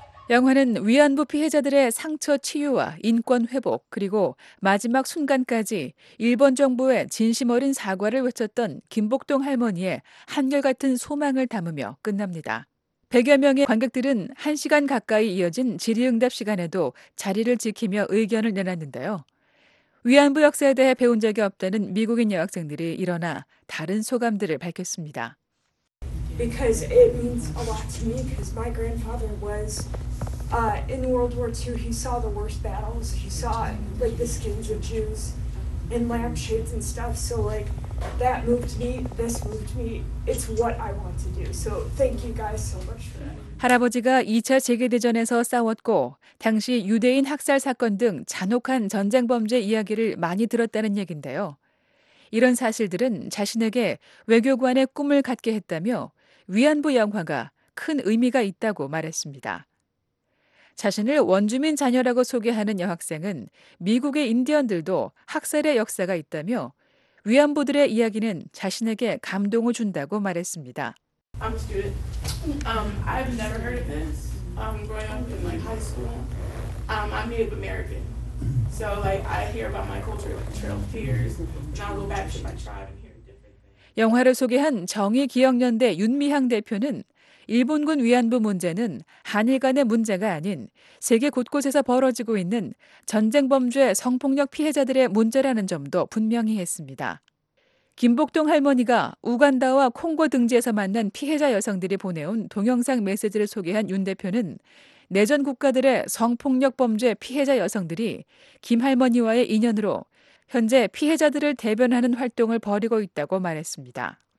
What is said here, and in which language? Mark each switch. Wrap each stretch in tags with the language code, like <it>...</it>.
<ko>영화는 위안부 피해자들의 상처 치유와 인권 회복 그리고 마지막 순간까지 일본 정부의 진심 어린 사과를 외쳤던 김복동 할머니의 한결같은 소망을 담으며 끝납니다. 100여 명의 관객들은 1시간 가까이 이어진 질의응답 시간에도 자리를 지키며 의견을 내놨는데요. 위안부 역사에 대해 배운 적이 없다는 미국인 여학생들이 일어나 다른 소감들을 밝혔습니다.</ko> <en>Because it means a lot to me because my grandfather was in World War II. He saw the worst battles. He saw like the skins of Jews and lampshades and stuff. So like that moved me. This moved me. It's what I want to do. So thank you guys so much for that.</en> <ko>할아버지가 2차 세계대전에서 싸웠고 당시 유대인 학살 사건 등 잔혹한 전쟁 범죄 이야기를 많이 들었다는 얘긴데요. 이런 사실들은 자신에게 외교관의 꿈을 갖게 했다며 위안부 영화가 큰 의미가 있다고 말했습니다. 자신을 원주민 자녀라고 소개하는 여학생은 미국의 인디언들도 학살의 역사가 있다며 위안부들의 이야기는 자신에게 감동을 준다고 말했습니다.</ko> <en>I'm a student. I've never heard of this. Growing up in like high school, I'm Native American. So like I hear about my culture like Trail of Tears, and I go back to my tribe.</en> <ko>영화를 소개한 정의기억연대 윤미향 대표는 일본군 위안부 문제는 한일 간의 문제가 아닌 세계 곳곳에서 벌어지고 있는 전쟁범죄 성폭력 피해자들의 문제라는 점도 분명히 했습니다. 김복동 할머니가 우간다와 콩고 등지에서 만난 피해자 여성들이 보내온 동영상 메시지를 소개한 윤 대표는 내전 국가들의 성폭력 범죄 피해자 여성들이 김 할머니와의 인연으로 현재 피해자들을 대변하는 활동을 벌이고 있다고 말했습니다.</ko>